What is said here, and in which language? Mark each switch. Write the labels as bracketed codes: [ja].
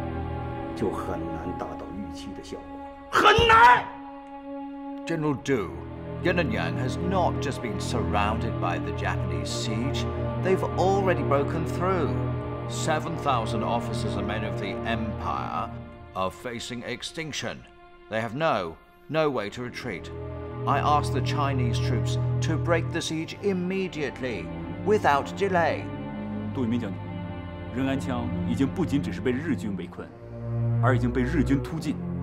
[zh] 我们不得不撤出铜鼓，与参谋长并筹平满纳会战计划。让人想不到的是，在短短的十日之内，由于你们英军一撤再撤，使重要的能源基地仁安羌暴露在日军的刀锋之下，如此，平满纳会战计划就很难达到预期的效果。很难! [en] General Du, Yunnanyan has not just been surrounded by the Japanese siege. They've already broken through. 7,000 officers and men of the Empire are facing extinction. They have no way to retreat. I ask the Chinese troops to break the siege immediately, without delay. [zh] 杜聿明将军，仁安羌已经不仅只是被日军围困，而已经被日军突进。